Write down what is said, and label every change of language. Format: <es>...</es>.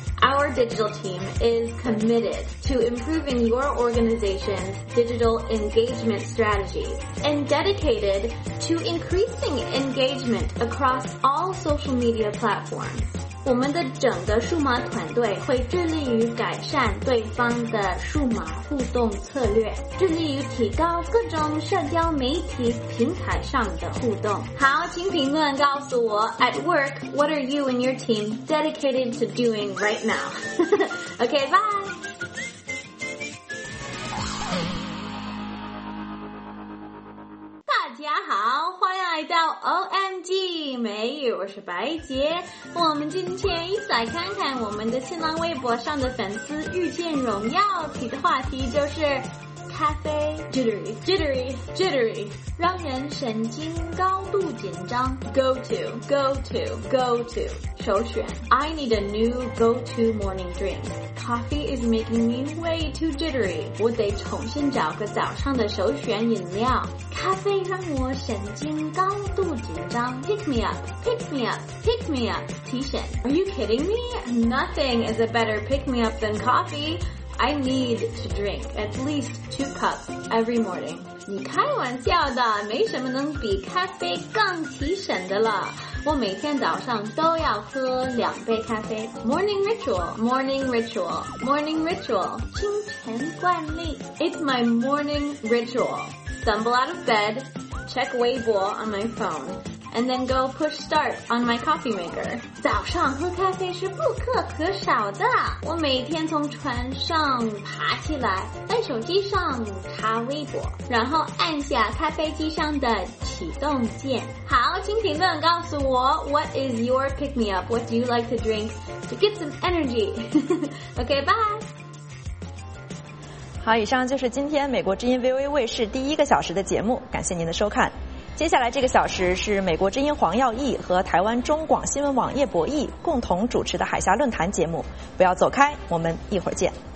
<en>Our digital team is committed to improving your organization's digital engagement strategy and dedicated to increasing engagement across all social media platforms.</en> <zh>我们的整个数码团队会致力于改善对方的数码互动策略，致力于提高各种社交媒体平台上的互动。好，请评论告诉我</zh> <en>at work what are you and your team dedicated to doing right now. OK, bye.</en> <zh>大家好，欢迎来到 OMG 美语，我是白洁。我们今天一起来看看我们的新浪微博上的粉丝遇见荣耀提的话题，就是咖啡 jittery， 让人神经高度紧张。</zh> <en>Go to， 首选。I need a new go to morning drink. Coffee is making me way too jittery.</en> <zh>我得重新找个早上的首选饮料。咖啡让我神经高度紧张。</zh> <en>Pick me up. 提神。Are you kidding me? Nothing is a better pick me up than coffee. I need to drink at least 2 cups every morning.</en> <zh>你开玩笑的，没什么能比咖啡更提神的了。我每天早上都要喝两杯咖啡。</zh> <en>Morning ritual.</en> <zh>清晨惯例。</zh> <en>It's my morning ritual. Stumble out of bed, check Weibo on my phone. And then go push start on my coffee maker.</en> <zh>早上喝咖啡是不可可少的。我每天从床上爬起来，在手机上查微博，然后按下咖啡机上的启动键。好，请评论告诉我</zh> <en>，What is your pick me up? What do you like to drink to get some energy? OK, bye.</en> <zh>好，以上就是今天美国之音 VOA 卫视第一个小时的节目，感谢您的收看。接下来这个小时是美国之音黄耀毅和台湾中广新闻网叶博弈共同主持的海峡论坛节目，不要走开，我们一会儿见。</zh>